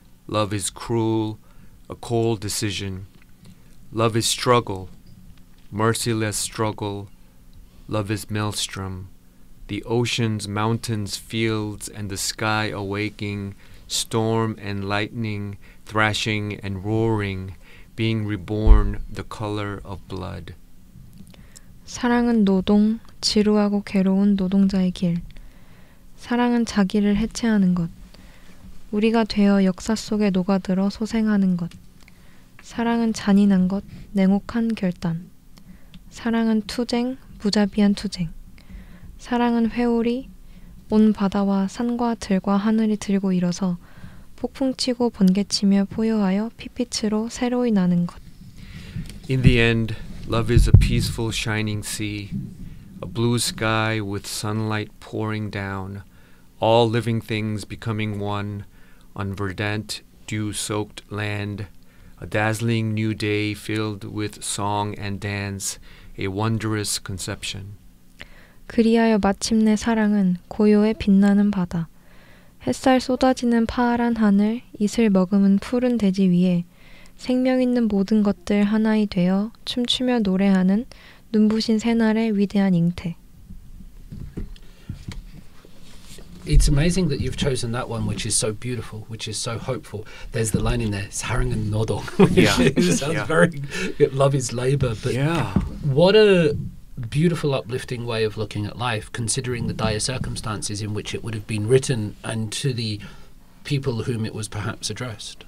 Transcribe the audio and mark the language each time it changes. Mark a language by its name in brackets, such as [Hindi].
[English] Love is cruel, a cold decision. Love is struggle, merciless struggle. Love is maelstrom, the oceans, mountains, fields, and the sky awaking, storm and lightning, thrashing and roaring, being reborn the color of blood. [Korean] 사랑은 노동, 지루하고 괴로운 노동자의 길. 사랑은 자기를 해체하는 것. 우리가 되어 역사 속에 녹아들어 소생하는 것. 사랑은 잔인한 것, 냉혹한 결단. 사랑은 투쟁, 무자비한 투쟁. 사랑은 회오리, 온 바다와 산과 들과 하늘이 들고 일어서 폭풍치고 번개치며 포효하여 핏빛으로 새로이 나는 것. [English] In the end, love is a peaceful shining sea, a blue sky with sunlight pouring down, all living things becoming one on verdant, dew-soaked land, a dazzling new day filled with song and dance, a wondrous conception. [Korean] 그리하여 마침내 사랑은 고요해 빛나는 바다, 햇살 쏟아지는 파란 하늘, 이슬 머금은 푸른 대지 위에 생명 있는 모든 것들 하나이 되어 춤추며 노래하는 눈부신 새날의 위대한 잉태. [English] It's amazing that you've chosen that one, which is so beautiful, which is so hopeful. There's the line in there, [Korean] 사랑은 노동. [English] Yeah. It sounds very, love is labor. But yeah. What a beautiful, uplifting way of looking at life, considering the dire circumstances in which it would have been written and to the people whom it was perhaps addressed.